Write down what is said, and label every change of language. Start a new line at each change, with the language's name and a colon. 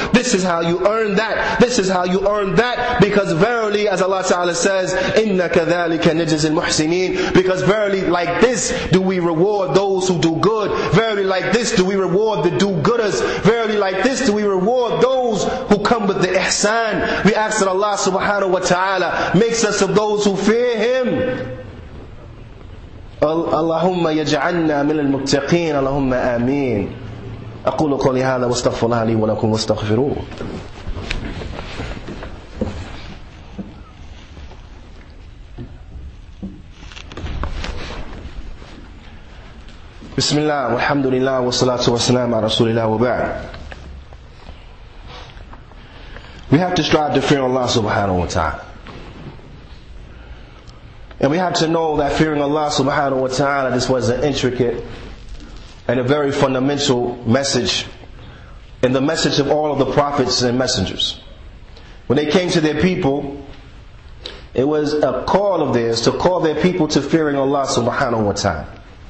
English: This is how you earn that. This is how you earn that. Because verily, as Allah Ta'ala says,
Arabic: إِنَّ كَذَلِكَ نَجْزِي الْمُحْسِنِينَ
English: Because verily, like this do we reward those who do good. Verily, like this do we reward the do-gooders. Verily, like this do we reward those who come with the ihsan. We ask that Allah subhanahu wa ta'ala makes us of those who fear Him.
Arabic: اللهم يجعلنا من المتقين اللهم آمين أقول قولي هذا واستغفر الله لي ولكم واستغفروه بسم الله والحمد لله والصلاة والسلام على رسول الله وبعد
English: We have to strive to fear Allah subhanahu wa ta'ala. And we have to know that fearing Allah subhanahu wa ta'ala, this was an intricate and a very fundamental message and the message of all of the prophets and messengers. When they came to their people, it was a call of theirs to call their people to fearing Allah subhanahu wa ta'ala.